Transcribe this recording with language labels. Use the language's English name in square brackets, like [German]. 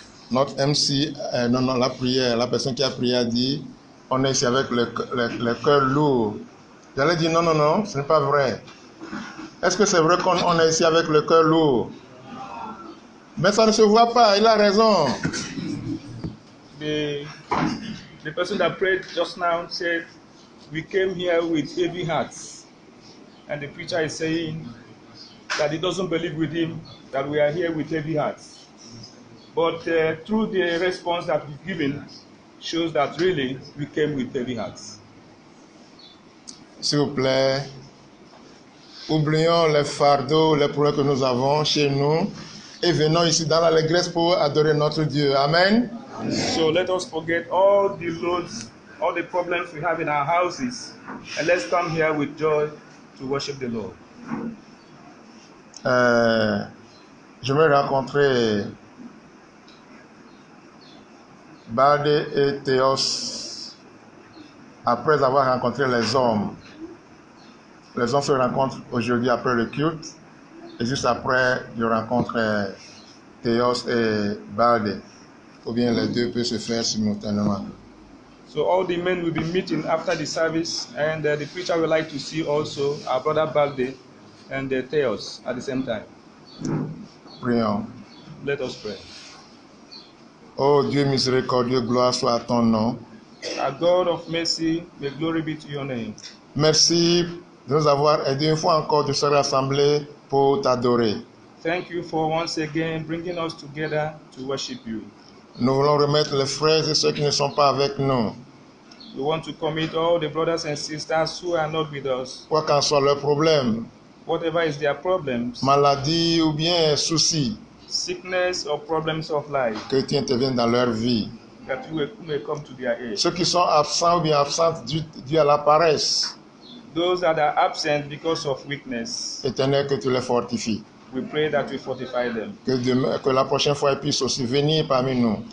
[French] Notre MC, la prière, la personne qui a prié a dit, on est ici avec le cœur lourd. J'allais dire, non, ce n'est pas vrai. Est-ce que c'est vrai qu'on est ici avec le cœur lourd? Mais ça ne se voit pas, il a raison. [English] The person that prayed just now said, we came here with heavy hearts. And the preacher is saying that he doesn't believe with him that we are here with heavy hearts. But through the response that we've given, shows that really we came with heavy hearts. [French] S'il vous plaît, oublions les fardeaux, les problèmes que nous avons chez nous. Et venons ici dans l'allégresse pour adorer notre Dieu. Amen. [English] So let us forget all the loads, all the problems we have in our houses, and let's come here with joy to worship the Lord. [French] Je me rencontrais Bade et Théos après avoir rencontré les hommes. Les hommes se rencontrent aujourd'hui après le culte. Et juste après, je rencontre Théos et Balde. Ou bien les deux peuvent se faire simultanément. [English] So all the men will be meeting after the service, and the preacher would like to see also our brother Balde and Théos at the same time. [French] Prions. [English] Let us pray. [French] Oh Dieu miséricordieux, gloire soit à ton nom. [English] A God of mercy, may glory be to your name. [French] Merci de nous avoir aidé une fois encore de se rassembler pour t'adorer. [English] Thank you for once again bringing us together to worship you. [French] Nous voulons remettre les frères et ceux qui ne sont pas avec nous. [English] We want to commit all the brothers and sisters who are not with us. [French] Quoi qu'en soit leur problème. [English] Whatever is their problems. [French] Maladie ou bien souci. [English] Sickness or problems of life. [French] Que tu interviennes dans leur vie. [English] That you may come to their aid. [French] Ceux qui sont absents ou bien absentes dû à la paresse. [English] Those that are absent because of weakness. [French] Éternel, que tu les fortifies. [English] We pray that you fortify them. [French] Que la prochaine fois ils puissent aussi venir parmi nous.